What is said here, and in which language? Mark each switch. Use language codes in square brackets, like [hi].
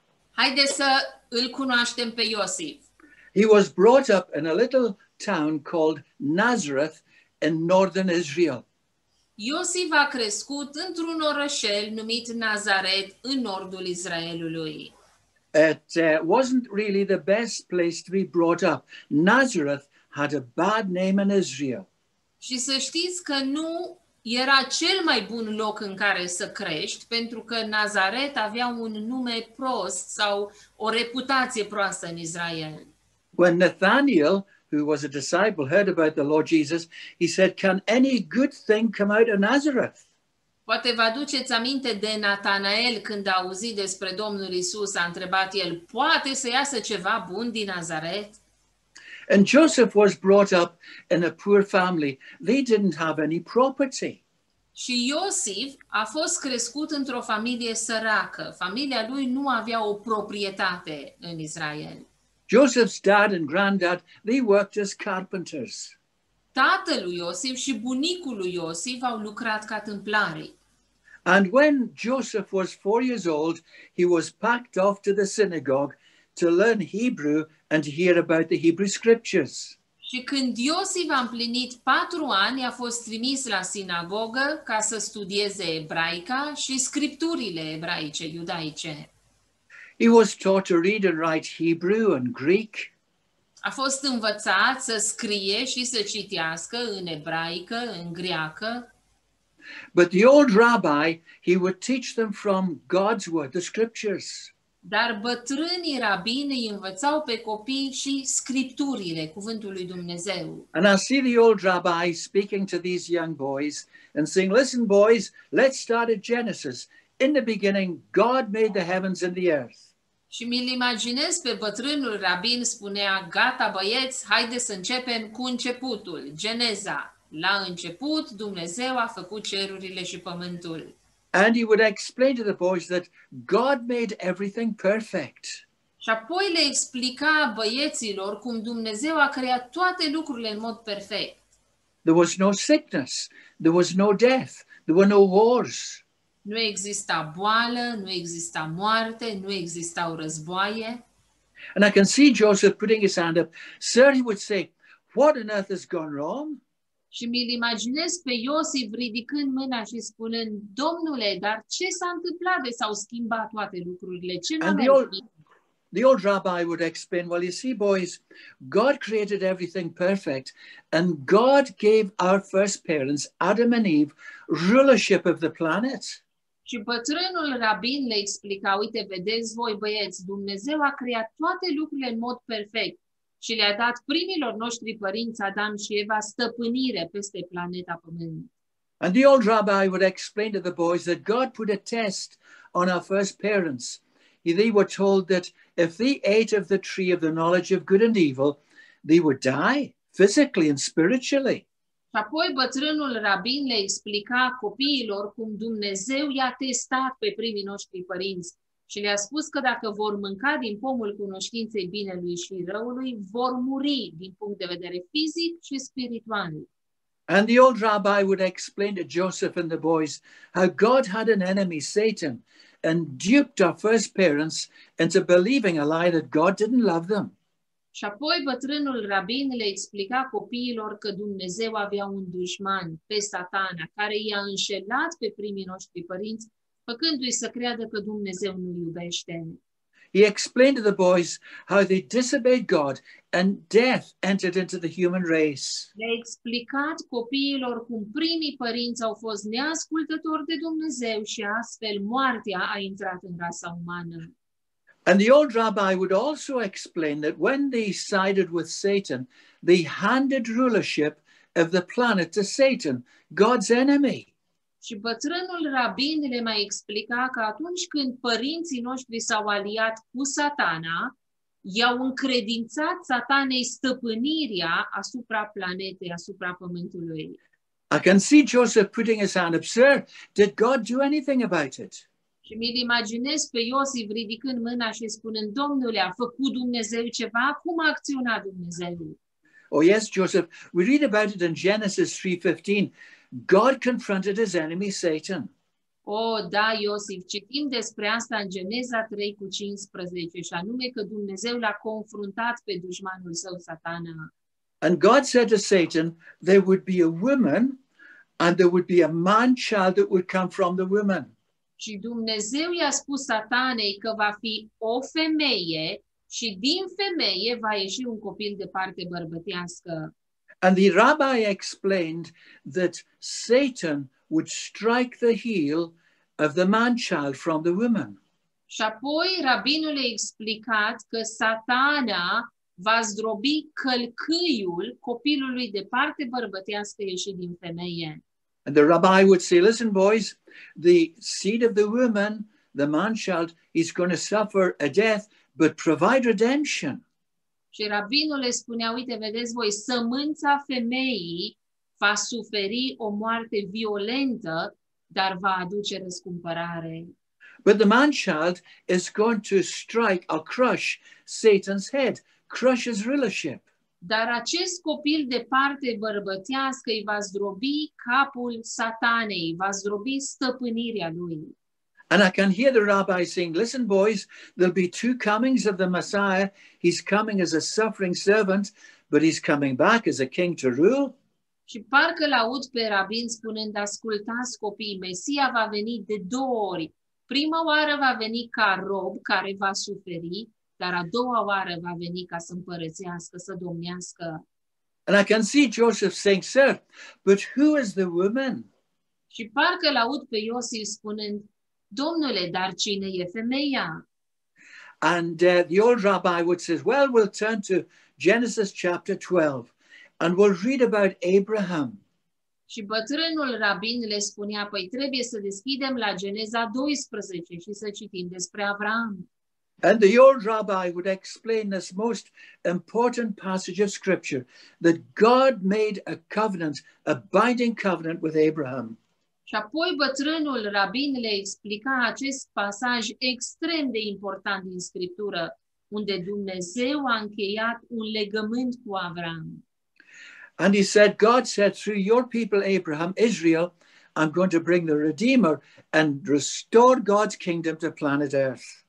[ro] Haide să îl cunoaștem pe Iosif. [en] He was brought up in a little town called Nazareth in northern Israel. [ro] Iosif a crescut într-un orășel numit Nazaret în nordul Israelului. [en] It wasn't really the best place to be brought up. Nazareth had a bad name in Israel. [ro] Și să știți că nu era cel mai bun loc în care să crești, pentru că Nazaret avea un nume prost sau o reputație proastă în Israel. [en] When Nathanael, who was a disciple, heard about the Lord Jesus, he said, "Can any good thing come out of Nazareth?" [ro] Poate vă aduceți aminte de Natanael când a auzit despre Domnul Isus, a întrebat el, "Poate să iasă ceva bun din Nazaret?" [en] And Joseph was brought up in a poor family. They didn't have any property. [ro] Și Iosif a fost crescut într-o familie săracă. Familia lui nu avea o proprietate în Israel. [en] Joseph's dad and granddad, they worked as carpenters. [ro] Tatăl lui Iosif și bunicul lui Iosif au lucrat ca tâmplari. [en] And when Joseph was 4 years old, he was packed off to the synagogue to learn Hebrew and to hear about the Hebrew scriptures. [ro] Și când Iosif a împlinit 4 ani, a fost trimis la sinagogă ca să studieze ebraica și scripturile ebraice, iudaice. [en] He was taught to read and write Hebrew and Greek. [ro] A fost învățat să scrie și să citească în ebraică, în greacă. [en] But the old rabbi, he would teach them from God's word, the scriptures. [ro] Dar bătrânii rabini învățau pe copii și scripturile, cuvântul lui Dumnezeu. [en] And I see the old rabbi speaking to these young boys and saying, listen boys, let's start at Genesis. In the beginning, God made the heavens and the earth. [ro] Și mi-l imaginez pe bătrânul rabin spunea, gata băieți, haide să începem cu începutul, Geneza. La început, Dumnezeu a făcut cerurile și pământul. [en] And he would explain to the boys that God made everything perfect. [ro] Și apoi le explica băieților cum Dumnezeu a creat toate lucrurile în mod perfect. [en] There was no sickness, there was no death, there were no wars. [ro] Nu exista boală, nu exista moarte, nu existau războaie. [en] And I can see Joseph putting his hand up. Sir, he would say, what on earth has gone wrong? [ro] Și mi-l imaginez pe Iosif ridicând mâna și spunând, Domnule, dar ce s-a întâmplat de s-au schimbat toate lucrurile? Ce n-a venit? [en] The old rabbi would explain, well, you see, boys, God created everything perfect and God gave our first parents, Adam and Eve, rulership of the planet. [ro] Și bătrânul rabin le explica, uite, vedeți voi, băieți, Dumnezeu a creat toate lucrurile în mod perfect și le-a dat primilor noștri părinți, Adam și Eva, stăpânire peste planeta Pământ. [en] And the old rabbi would explain to the boys that God put a test on our first parents. They were told that if they ate of the tree of the knowledge of good and evil, they would die physically and spiritually. [ro] Și apoi bătrânul rabin le explica copiilor cum Dumnezeu i-a testat pe primii noștri părinți și le-a spus că dacă vor mânca din pomul cunoștinței binelui și răului, vor muri din punct de vedere fizic și spiritual. [en] And the old rabbi would explain to Joseph and the boys how God had an enemy, Satan, and duped our first parents into believing a lie that God didn't love them. [ro] Și apoi bătrânul rabin le explica copiilor că Dumnezeu avea un dușman, pe Satana, care i-a înșelat pe primii noștri părinți, făcându-i să creadă că Dumnezeu nu-l iubește. [en] He explained to the boys how they disobeyed God and death entered into the human race. [ro] Le-a explicat copiilor cum primii părinți au fost neascultători de Dumnezeu și astfel moartea a intrat în rasa umană. [en] And the old rabbi would also explain that when they sided with Satan, they handed rulership of the planet to Satan, God's enemy. [ro] Și bătrânul rabin le mai explica că atunci când părinții noștri s-au aliat cu Satana, i-au încredințat Satanei stăpânirea asupra planetei, asupra pământului. [en] I can see Joseph putting his hand up, sir, did God do anything about it? [ro] Și mi-l imaginez pe Iosif ridicând mâna și spunând, Domnule, a făcut Dumnezeu ceva? Cum a acționat Dumnezeu? [en] Oh yes, Joseph, we read about it in Genesis 3:15. God confronted his enemy Satan. [ro] Oh, da, Iosif, citim despre asta în Geneza 3:15, și anume că Dumnezeu l-a confruntat pe dușmanul său, Satana. [en] And God said to Satan, there would be a woman and there would be a man child that would come from the woman. [ro] Și Dumnezeu i-a spus Satanei că va fi o femeie și din femeie va ieși un copil de parte bărbătească. [en] And the rabbi explained that Satan would strike the heel of the man-child from the woman. [ro] Și apoi rabinul a explicat că Satana va zdrobi călcâiul copilului de parte bărbătească ieșit din femeie. [en] And the rabbi would say, listen boys, the seed of the woman, the man-child, is going to suffer a death, but provide redemption. [ro] Și rabinul le spunea, uite, vedeți voi, sămânța femeii va suferi o moarte violentă, dar va aduce răscumpărare. [en] But the man-child is going to strike or crush Satan's head, crush his rulership. [ro] Dar acest copil de parte bărbătească îi va zdrobi capul Satanei, va zdrobi stăpânirea lui. [en] And I can hear the rabbi saying, listen boys, there'll be two comings of the Messiah. He's coming as a suffering servant, but he's coming back as a king to rule. [ro] Și parcă l-aud pe rabin spunând, ascultați copii, Mesia va veni de două ori. Prima oară va veni ca rob care va suferi, dar a doua oară va veni ca să împărățească, să domnească. [en] And I can see Joseph saying, sir, but who is the woman? [ro] Și parcă l-aud pe Iosif spunând, Domnule, dar cine e femeia? [en] And the old rabbi would say, well, we'll turn to Genesis chapter 12 and we'll read about Abraham. [ro] Și bătrânul rabin le spunea, păi trebuie să deschidem la Geneza 12 și să citim despre Avram. [en] And the old rabbi would explain this most important passage of scripture, that God made a covenant, a binding covenant with Abraham. [ro] Și apoi bătrânul rabin le explica acest pasaj extrem de important din Scriptură, unde Dumnezeu a încheiat un legământ cu Avram. [en] And he said, God said, through your people, Abraham, Israel, I'm going to bring the Redeemer and restore God's kingdom to planet Earth.